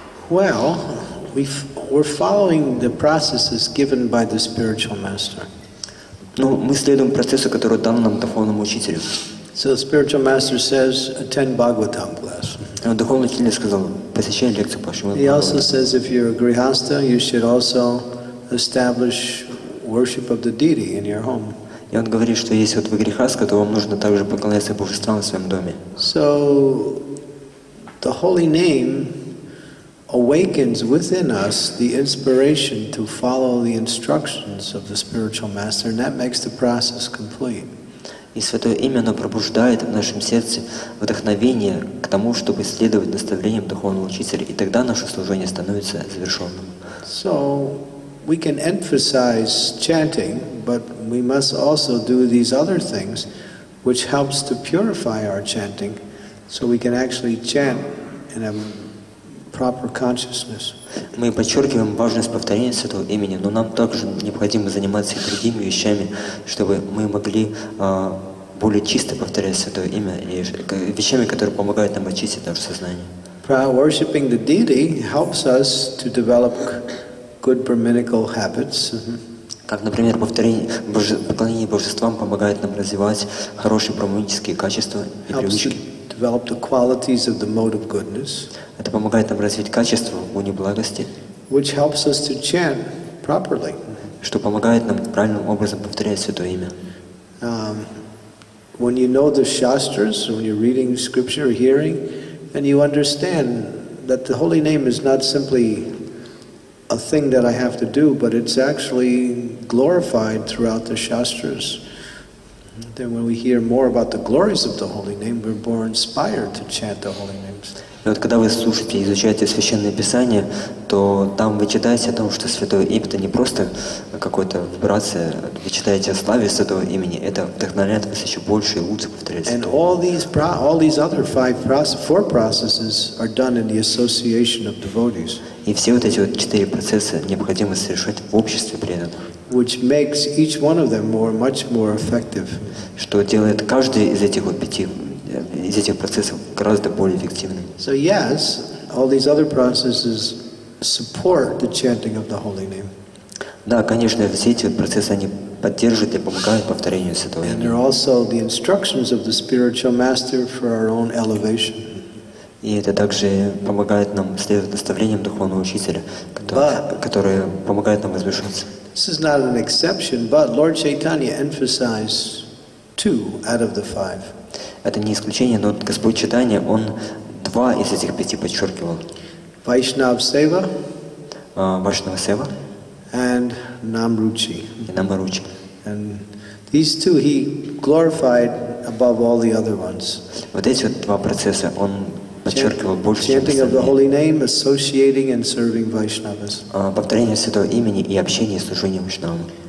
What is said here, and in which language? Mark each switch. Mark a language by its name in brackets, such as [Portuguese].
[English] Well, we're following the processes given by the spiritual master. [Russian] Ну, мы следуем процессу, который дан нам духовному учителю. [English] So the spiritual master says, attend Bhagavatam class. [Russian] Духовный учитель сказал, посещай лекцию по Шримад [English] Бхагаватам. He also says, if you're a grihastha, you should also establish worship of the deity in your home. [Russian] И он говорит, что если вот вы грихастха, то вам нужно также поклоняться божествам в своем доме. [English] So the holy name awakens within us the inspiration to follow the instructions of the spiritual master, and that makes the process complete. [Russian] И святое имя, оно пробуждает в нашем сердце вдохновение к тому, чтобы следовать наставлениям духовного учителя, и тогда наше служение становится завершенным. [English] So we can emphasize chanting, but we must also do these other things, which helps to purify our chanting, so we can actually chant in a proper consciousness. [Russian] Мы подчеркиваем важность повторения святого имени, но нам также необходимо заниматься другими вещами, чтобы мы могли более чисто повторять святое имя и вещами, которые помогают нам очистить наше сознание. [English] Worshipping the deity helps us to develop good brahminical habits. [Russian] Как, например, поклонение божествам помогает нам развивать хорошие брахманические качества и привычки. [English] Develop the qualities of the mode of goodness. [Russian] Это помогает нам развить качество уни благости, [English] which helps us to chant properly. [Russian] Что помогает нам правильным образом повторять святое имя. [English] When you know the shastras, when you're reading scripture or hearing, and you understand that the holy name is not simply a thing that I have to do, but it's actually glorified throughout the shastras. Then when we hear more about the glories of the holy name, we're more inspired to chant the holy names. [Russian] И вот когда вы слушаете и изучаете Священное Писание, то там вы читаете о том, что Святое Имя — это не просто какая-то вибрация, вы читаете о славе Святого Имени, это вдохновляет вас еще больше и лучше повторять Святого. [English] And all these other four processes are done in the association of devotees. [Russian] И все вот эти вот четыре процесса необходимо совершать в обществе преданных. [English] Which makes each one of them more, much more effective. [Russian] Что делает каждый из этих вот пяти из этих процессов гораздо более эффективным. [English] So yes, all these other processes support the chanting of the holy name. [Russian] Да, конечно, все эти процессы они поддерживают и помогают повторению святого имени. [English] And they're also the instructions of the spiritual master for our own elevation. [Russian] И это также помогает нам следовать наставлениям духовного учителя, которые помогают нам возвышаться. [English] This is not an exception, but Lord Chaitanya emphasized two out of the five. [Russian] Это не исключение, но Господь Чайтанья, он два из этих пяти подчеркивал. [Sanskrit] Vaishnava Seva. Vaishnava Seva. [English] And Namruchi. [Russian] И Намаручи. [English] And these two he glorified above all the other ones. [Russian] Вот эти вот два процесса он подчеркивал больше, чем остальные. [English] Chanting of the holy name, associating and serving Vaishnavas. [Russian] Повторение святого имени и общение с служением Вайшнавам.